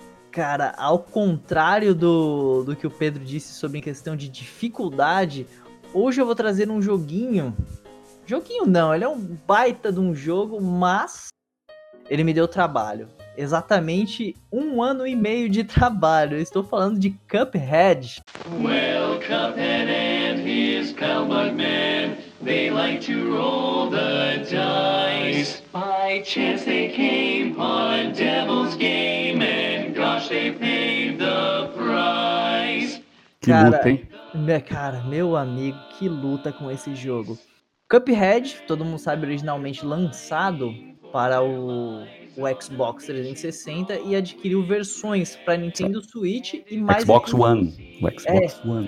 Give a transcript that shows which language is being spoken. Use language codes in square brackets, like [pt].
[pt] Cara, ao contrário do que o Pedro disse sobre questão de dificuldade, hoje eu vou trazer um joguinho. Joguinho não, ele é um baita de um jogo, mas ele me deu trabalho. Exatamente um ano e meio de trabalho. Eu estou falando de Cuphead. [en] Well, Cuphead and his cowboy men, they like to roll the dice. By chance they came upon a devil's game, and gosh, they paid the price. [pt] Que cara, luta, hein? Cara, meu amigo, que luta com esse jogo. Cuphead, todo mundo sabe, originalmente lançado para o Xbox 360 e adquiriu versões para Nintendo Switch e mais... [en] Xbox One.